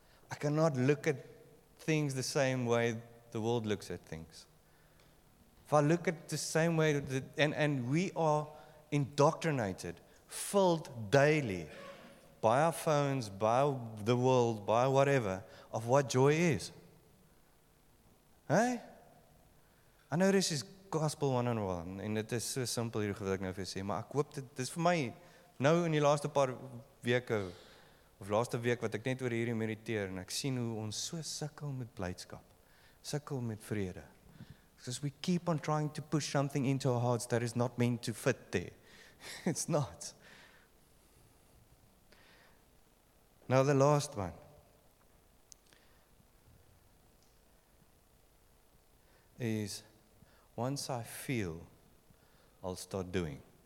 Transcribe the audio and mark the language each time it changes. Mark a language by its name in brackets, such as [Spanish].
[English] I cannot look at things the same way the world looks at things. If I look at the same way, and we are indoctrinated, filled daily by our phones, by the world, by whatever, of what joy is. Hey? I know this is gospel 101, and it is so simple [Afrikaans] hier wat ek nou vir sê, maar ek hoop dit is vir my nou in die laaste paar weke of laaste week wat ek net oor hierdie mediteer en ek sien hoe ons so sukkel met blydskap, sukkel met vrede. [English] Because we keep on trying to push something into our hearts that is not meant to fit there. It's not. Now the last one. Is once I feel, I'll start doing.